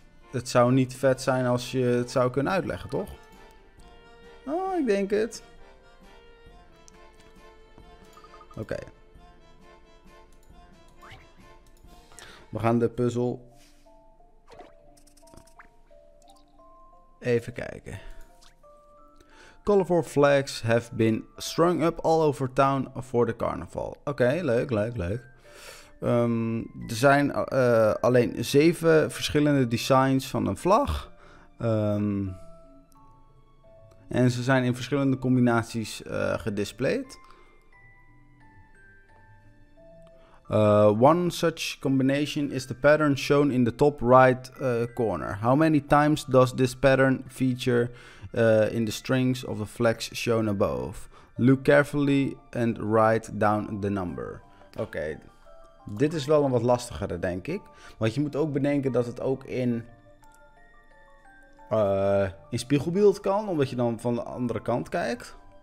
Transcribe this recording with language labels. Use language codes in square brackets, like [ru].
[nl] het zou niet vet zijn als je het zou kunnen uitleggen, toch? Oh, ik denk het. Oké. We gaan de puzzel even kijken. [en] Colorful flags have been strung up all over town for the carnival. [nl] Oké, leuk, leuk, leuk. Er zijn alleen 7 verschillende designs van een vlag. En ze zijn in verschillende combinaties gedisplayed. [en] One such combination is the pattern shown in the top right corner. How many times does this pattern feature in the strings of the flags shown above? Look carefully and write down the number. [nl] Oké, dit is wel een wat lastigere, denk ik. Want je moet ook bedenken dat het ook in spiegelbeeld kan, omdat je dan van de andere kant kijkt.